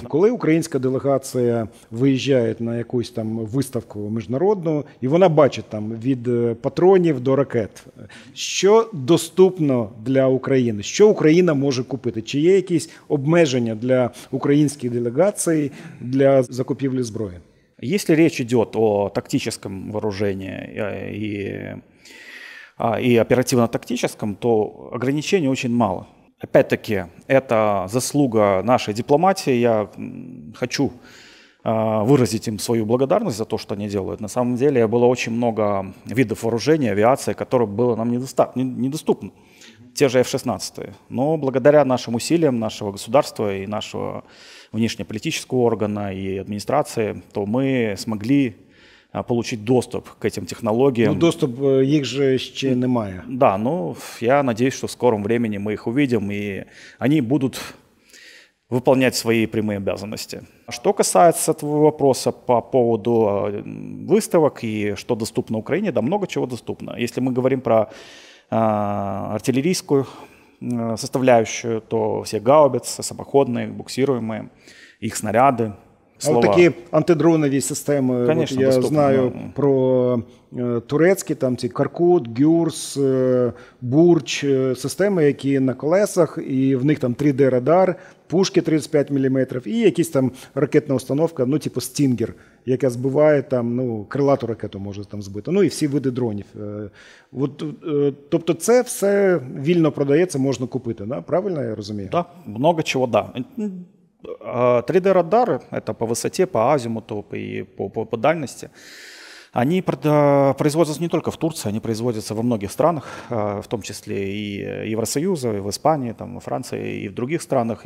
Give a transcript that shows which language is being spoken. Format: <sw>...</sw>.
<uk>Коли українська делегація виїжджає на якусь там виставку міжнародну, і вона бачить там від патронів до ракет, що доступно для України? Що Україна може купити? Чи є якісь обмеження для українських делегацій для закупівлі зброї?</uk> <ru>Если речь идет о тактическом вооружении и оперативно-тактическом, то ограничений очень мало. Опять-таки, это заслуга нашей дипломатии. Я хочу выразить им свою благодарность за то, что они делают. На самом деле, было очень много видов вооружения, авиации, которые было нам недоступны. Те же F-16. Но благодаря нашим усилиям, нашего государства и нашего внешнеполитического органа и администрации, то мы смогли получить доступ к этим технологиям. Ну, доступ их же еще немає. Да, но я надеюсь, что в скором времени мы их увидим, и они будут выполнять свои прямые обязанности. Что касается твоего вопроса по поводу выставок и что доступно Украине, да много чего доступно. Если мы говорим про артиллерийскую составляющую, то все гаубицы, самоходные, буксируемые, их снаряды. Слова. А вот такие антидронові системи, конечно, я доступно.</ru> <uk>Знаю про турецькі, там ці Каркут, Гюрс, Бурч, системи, які на колесах, і в них там 3D-радар, пушки 35 мм, і якісь там ракетна установка, ну типу Стінгер, яка збиває там, ну крилату ракету може там збити, ну і всі види дронів. От, тобто це все вільно продається, можна купити, да? Правильно я розумію?</uk> <ru>Так, да. Много чого, да. 3D-радар, это по высоте, по азимуту и по дальности, они производятся не только в Турции, они производятся во многих странах, в том числе и Евросоюза, и в Испании, там, во Франции, и в других странах.</ru>